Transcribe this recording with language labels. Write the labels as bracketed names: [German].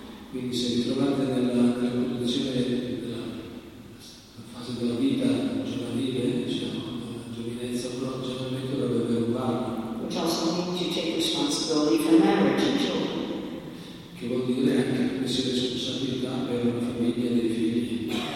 [Italian] Quindi se vi trovate nella condizione della fase della vita giovanile, diciamo, la giovinezza, però generalmente dovrebbe avere un varna. [English] Which also means you take responsibility for marriage and children. [Italian] Che vuol dire anche prendersi responsabilità per una famiglia e dei figli.